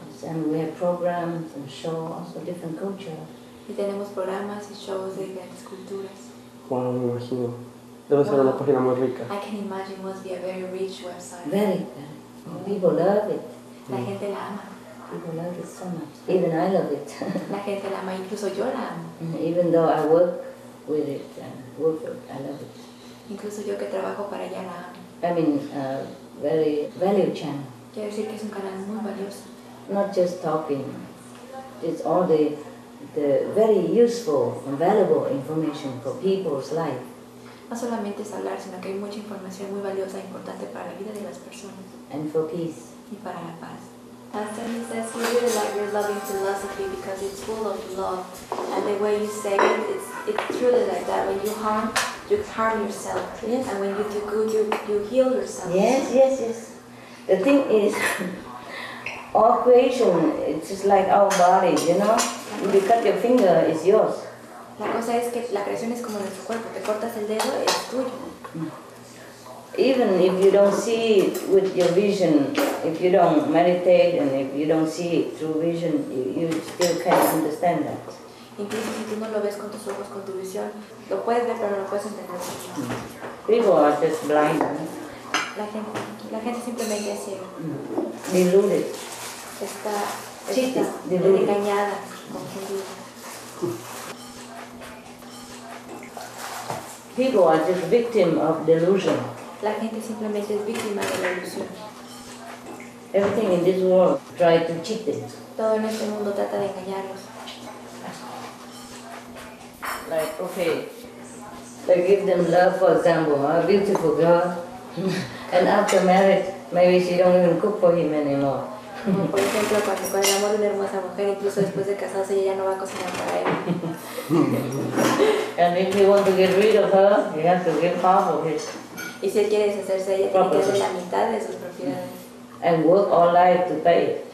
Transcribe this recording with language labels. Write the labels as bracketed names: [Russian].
[English] And we have programs and shows, also different cultures. [Spanish] Y tenemos programas y shows de diferentes culturas. Wow, me imagino. Debe ser una página muy rica. [English] I can imagine must be a very rich website. Very, very. People love it. [Spanish] La gente la ama. [English] People love it so much. Even I love it. [Spanish] La gente la ama, incluso yo la amo. [English] Even though I work with it, I love it. [Spanish] Incluso yo que trabajo para ella la amo. [English] I mean, very value channel. [Spanish] Quiero decir que es un canal muy valioso. [English] Not just talking. It's all the very useful and valuable information for people's life. [Spanish] No solamente es hablar, sino que hay mucha información muy valiosa e importante para la vida de las personas. [English] And for peace. [Spanish] Y para la paz. [English] Pastor, he says he really liked your loving philosophy because it's full of love. And the way you say it, it's truly like that. When you harm yourself. Yes. And when you do good, you heal yourself. Yes, yes, yes. The thing is, all creation, it's just like our body, you know? If you cut your finger, it's yours. [Spanish] La cosa es que la creación es como nuestro cuerpo. Te cortas el dedo, es tuyo. [English] Even if you don't see it with your vision, if you don't meditate and if you don't see it through vision, you still can't understand that. [Spanish] Incluso si tú no lo ves con tus ojos, con tu visión, lo puedes ver, pero no lo puedes entender. [English] People are just blind. [Spanish] La gente simplemente es ciega. [English] Deluded. [Spanish] Está deluded. Engañada, confundida. [English] People are just victims of delusion. [Spanish] La gente simplemente es víctima de la ilusión. [English] Everything in this world tries to cheat them. [Spanish] Todo en este mundo trata de engañarlos. [English] Like, okay, they give them love, for example, a beautiful girl. And after marriage, maybe she don't even cook for him anymore. [Spanish] Por ejemplo, cuando el amor de una hermosa mujer, incluso después de casarse, ella no va a cocinar para él. [English] And if he wants to get rid of her, he has to give half of his. [Spanish] Y si él quiere deshacerse de ella, tiene que darle la mitad de sus propiedades. [English] And work all life to pay.